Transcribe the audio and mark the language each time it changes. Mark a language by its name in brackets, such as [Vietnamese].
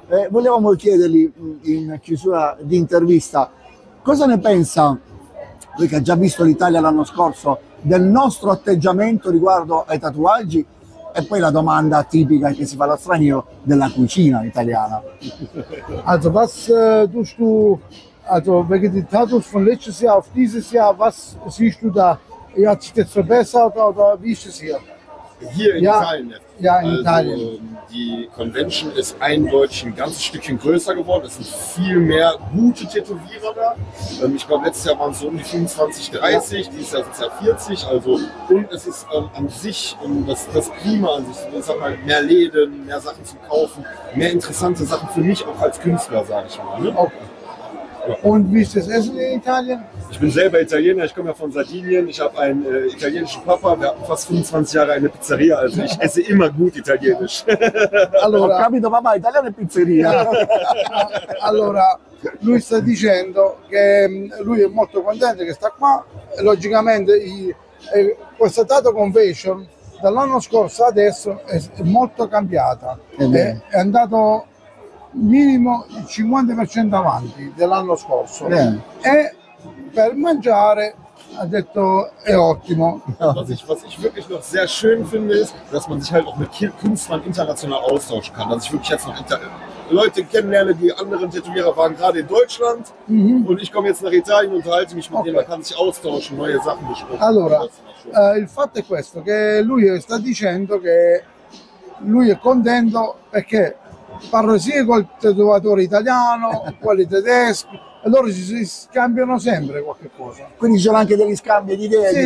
[Italian] Volevamo chiedergli in chiusura di intervista cosa ne pensa, lui che ha già visto l'Italia l'anno scorso, del nostro atteggiamento riguardo ai tatuaggi e poi la domanda tipica che si fa allo straniero della cucina italiana. [German] Also, was tust du, also, wegen den Tattoos von letztes Jahr auf dieses Jahr, was siehst du da? Hat sich das verbessert oder wie ist es hier? Hier in Ja. Italien jetzt. Ja, in Italien. Also die Convention ist eindeutig ein ganzes Stückchen größer geworden. Es sind viel mehr gute Tätowierer da. Ich glaube, letztes Jahr waren es so um die 25, 30, dieses Jahr sind es ja 40. Also, und es ist an sich das Klima an sich, ich sag mal, mehr Läden, mehr Sachen zu kaufen, mehr interessante Sachen für mich auch als Künstler, sage ich mal. Ne? Okay. Und wie ist das Essen in Italien? Ich bin selber Italiener, ich komme ja von Sardinien. Ich habe einen italienischen Papa, wir hatten fast 25 Jahre eine Pizzeria, also ich esse immer gut italienisch. [Italian] Allora, ho capito papà, italiano e pizzeria. allora, lui sta dicendo che lui è molto contento che sta qua. Logicamente, questa Tattoo Convention dall'anno scorso ad adesso è molto cambiata. È andato minimo il 50% avanti dell'anno scorso. E per mangiare ha detto è ottimo. [German] Was ich wirklich noch sehr schön finde, ist, dass man sich halt auch mit Künstlern international austauschen kann. Dass ich wirklich jetzt noch Leute kennenlerne, die anderen Tätowierer waren gerade in Deutschland, mhm, und ich komme jetzt nach Italien und unterhalte mich mit, okay, denen, man kann sich austauschen, neue Sachen besprechen. [Italian] Allora, il fatto è questo, che lui sta dicendo che lui è contento perché parlo sia col tatuatore italiano, quelli tedeschi, e loro si scambiano sempre qualche cosa. Quindi ci sono anche degli scambi di idee, sì, di,